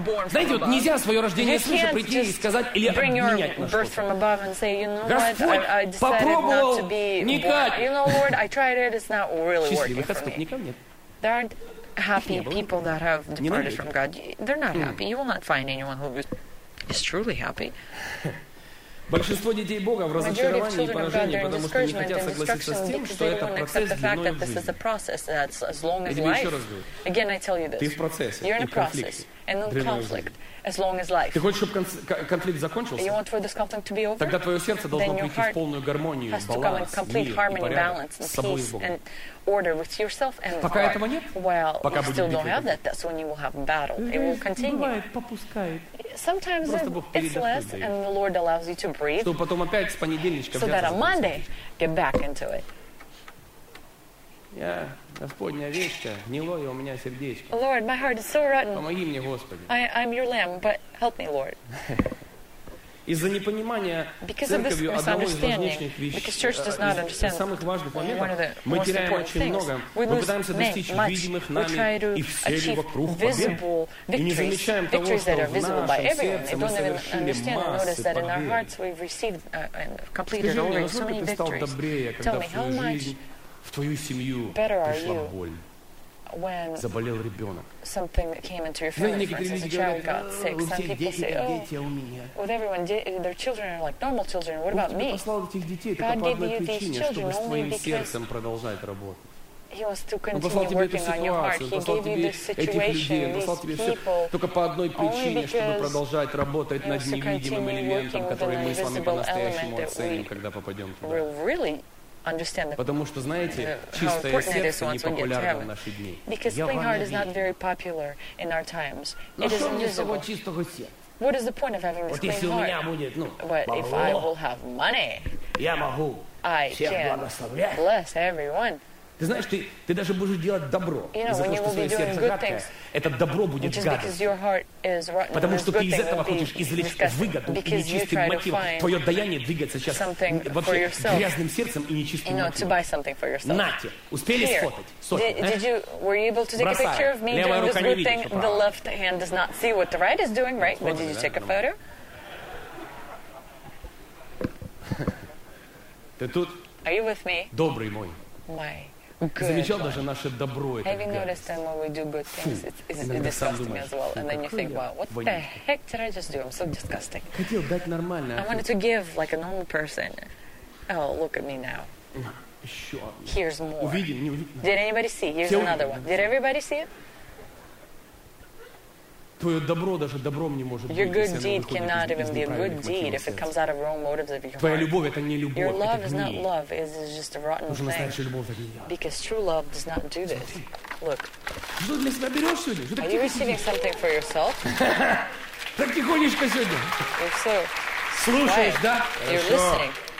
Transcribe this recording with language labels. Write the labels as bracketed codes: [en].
[ru] Знаете, вот нельзя свое рождение свыше прийти и сказать или обменять на что-то. Господь попробовал, никак. Счастливых отступников нет. [en] Happy people that have departed from God, they're not happy. You will not find anyone who is truly happy. [ru] Большинство детей Бога в разочаровании и поражении, потому что не хотят согласиться с тем, что это процесс длиной в жизни. Я тебе еще раз говорю. Ты в процессе и конфликте длиной в жизни. Ты хочешь, чтобы конфликт закончился? Тогда твое сердце должно прийти в полную гармонию, баланс, мир и порядок с собой и Богом. [en] Order with yourself and [ru] пока [en] heart. [ru] Этого нет, [en] well, [ru] пока [en] you still don't have that, that's when you will have a battle. It will continue. Sometimes it's less, and the Lord allows you to breathe so that on Monday, get back into it. Yeah. [ru] Господня овечка, не лови у меня сердечко. [en] Lord, my heart is so rotten. [ru] Помоги мне, Господи. [en] I'm your lamb, but help me, Lord. [ru] Из-за непонимания церковью одного из важнейших вещей, из самых важных моментов, мы теряем очень много. Мы пытаемся достичь видимых нами и всеми вокруг победы. И не замечаем того, что в нашем сердце мы совершили массы победы. Скажи мне, насколько ты стал добрее, когда в твою жизнь, в твою семью пришла боль? Заболел ребенок. [en] Something that came into your family, for instance, a child got sick. Some people say, oh, with everyone, their children are like normal children. What about me? God gave you these children only because He wants to continue working on your heart. He gave you this situation, these people, only because He wants to continue working with an invisible element that we will really understand the, [ru] потому что, знаете, чистое сердце не популярно в наши дни. [en] Because clean heart is not very popular in our times. It is invisible. What is the point of having this clean heart? [ru] У меня будет, ну, [en] but if I will have money, [ru] я могу. [en] I can bless everyone. [ru] Ты знаешь, ты даже будешь делать добро, из-за того, что твое сердце гадкое, это добро будет гадость. Потому что ты из этого хочешь извлечь выгоду и нечистым мотивом. Твое даяние двигается сейчас вообще грязным сердцем и нечистым мотивом. Нате, успели сфотать? Сфотать, а? Бросай, левая рука не видит, что правда. Но ты снял фото? Ты тут? [en] Are you with me? [ru] Добрый мой. [en] Good. [ru] Замечал даже наше добро это. [en] Having noticed that when we do good things, it's disgusting as well. And then you think, wow, what the heck did I just do? I'm so disgusting. [ru] Хотел дать нормально. [en] I wanted to give like a normal person. Oh, look at me now. Here's more. [ru] Увидим, не увидим. [en] Did anybody see? Here's another one. Did everybody see it? [ru] Твое добро даже добром не может быть. [en] Your good deed cannot even be a good deed if it comes out of wrong motives of your heart. [ru] Твоя любовь это не любовь. [en] Your love is not love, it's just a rotten thing. [ru] Нужно знать, что любовь это не я. [en] Because true love does not do this. [ru] Смотри. [en] Look. [ru] Что для себя берешь сегодня? Что [en] Are you receiving something for yourself? [ru] Так тихонечко сегодня. [en] You're so... [ru] Слушаешь, [en] right. [ru] да? [en] You're [ru] Хорошо. [en] Listening.